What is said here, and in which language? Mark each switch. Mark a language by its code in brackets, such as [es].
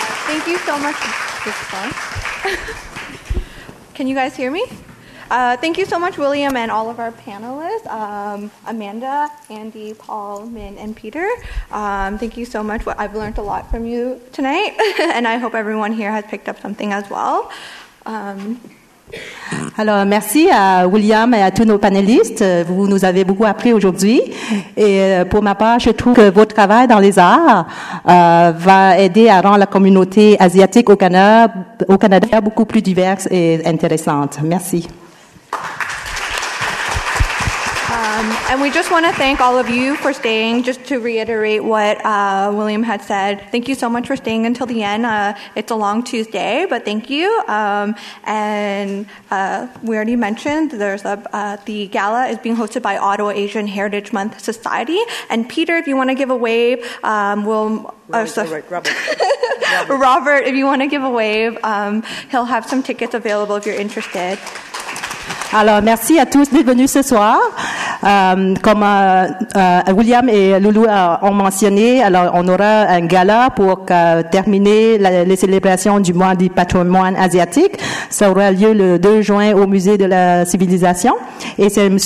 [en] Thank you so much. This is fun. Can you guys hear me? Thank you so much, William, and all of our panelists, Amanda, Andy, Paul, Min, and Peter. Thank you so much. I've learned a lot from you tonight, and I hope everyone here has picked up something as well. [fr] Alors, merci à William et à tous nos panélistes. Vous nous avez beaucoup appris aujourd'hui. Et pour ma part, je trouve que votre travail dans les arts va aider à rendre la communauté asiatique au Canada beaucoup plus diverse et intéressante. Merci. [en] And we just want to thank all of you for staying. Just to reiterate what William had said, thank you so much for staying until the end. It's a long Tuesday, but thank you. We already mentioned there's the gala is being hosted by Ottawa Asian Heritage Month Society. And Peter, if you want to give a wave, Robert, if you want to give a wave, he'll have some tickets available if you're interested. [fr] Alors, merci à tous d'être venus ce soir. William et Loulou ont mentionné, alors on aura un gala pour terminer les célébrations du mois du patrimoine asiatique. Ça aura lieu le 2 juin au Musée de la Civilisation. Et c'est M.